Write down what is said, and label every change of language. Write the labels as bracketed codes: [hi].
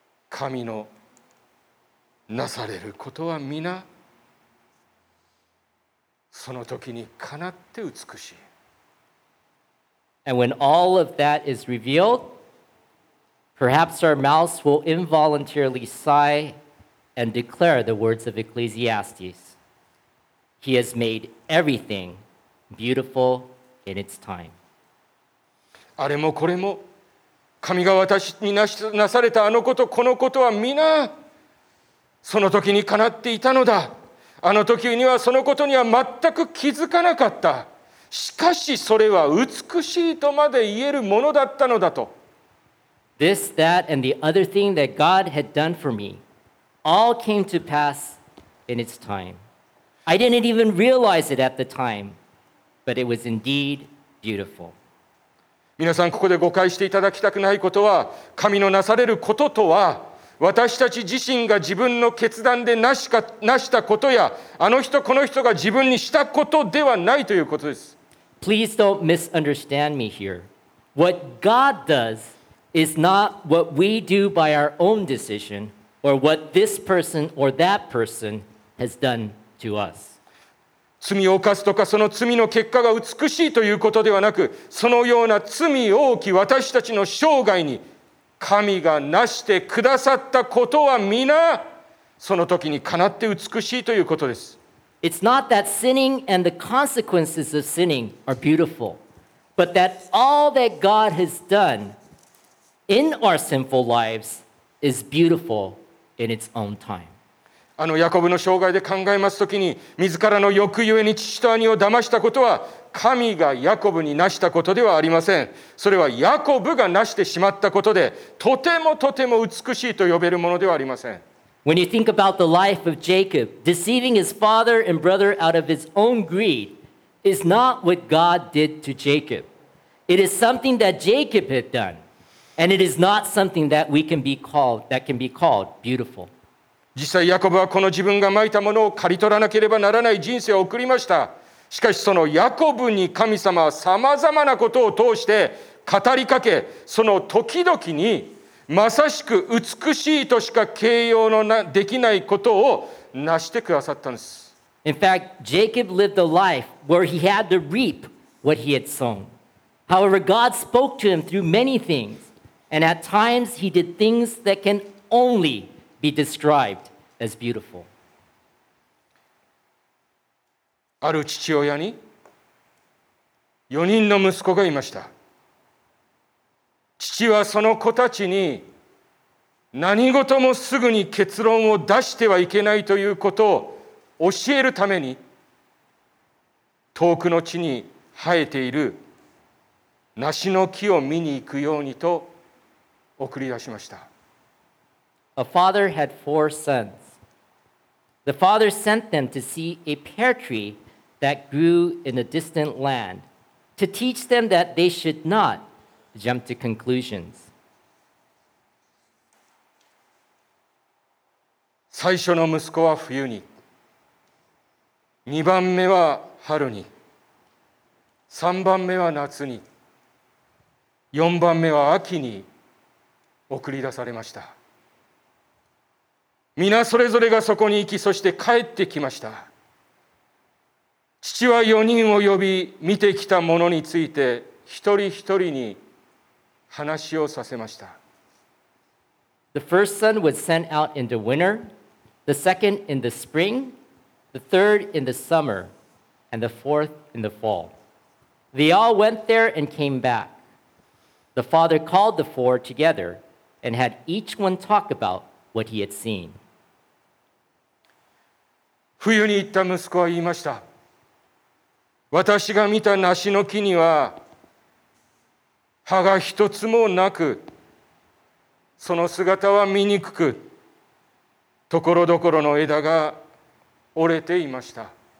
[ja] 神のなされることは皆その時にかなって美しい。 [en] And when all of that is revealed, perhaps our mouths will involuntarily sigh and declare the words of Ecclesiastes. He has made everything beautiful in its time. [ja] あれもこれも神が私になされたあのこと、このことは皆その時にかなっていたのだ。あの時にはそのことには全く気づかなかった。しかしそれは美しいとまで言えるものだったのだと。 [en] This, that, and the other thing that God had done for me all came to pass in its time. I didn't even realize it at the time, but it was indeed beautiful. [ja] 皆さん、ここで誤解していただきたくないことは、神のなされることとは、私たち自身が自分の決断で成したことや、あの人この人が自分にしたことではないということです。 [en] Please don't misunderstand me here. What God does is not what we do by our own decision or what this person or that person has done to us. [ja] 罪を犯すとか、その罪の結果が美しいということではなく、そのような罪を置き私たちの生涯に神がなしてくださったことは皆その時にかなって美しいということです。 [en] It's not that sinning and the consequences of sinning are beautiful, but that all that God has done in our sinful lives is beautiful in its own time. [ja] あのヤコブの生涯で考えますときに、自らの欲ゆえに父と兄を騙したことは神がヤコブになしたことではありません。それはヤコブがなしてしまったことで、とてもとても美しいと呼べるものではありません。 [en] When you think about the life of Jacob, deceiving his father and brother out of his own greed is not what God did to Jacob. It is something that Jacob had done, and it is not something that we can be called, that can be called beautiful. [ja] 実際ヤコブはこの自分がまいたものを刈り取らなければならない人生を送りました。しかしそのヤコブに神様はさまざまなことを通して語りかけ、その時々にまさしく美しいとしか形容のできないことを成してくださったんです。 [en] In fact, Jacob lived a life where he had to reap what he had sown. However, God spoke to him through many things, and at times he did things that can only be described as beautiful. [ja] ある父親に4人の息子がいました。父はその子たちに何事もすぐに結論を出してはいけないということを教えるために、遠くの地に生えている梨の木を見に行くようにと送り出しました。 [en] A father had four sons. The father sent them to see a pear treeThat grew in a distant land, to teach them that they should not jump to conclusions. [ja] 最初の息子は冬に、2番目は春に、3番目は夏に、4番目は秋に送り出されました。皆それぞれがそこに行き、そして帰ってきました。父は4人を呼び、見てきたものについて一人一人に話をさせました。 [en] The first son was sent out in the winter, the second in the spring, the third in the summer, and the fourth in the fall. They all went there and came back. The father called the four together and had each one talk about what he had seen. [ja] 冬に行った息子は言いました。私が見た梨の木には葉が一つもなく、その姿は醜く、ところどころの枝が折れていました。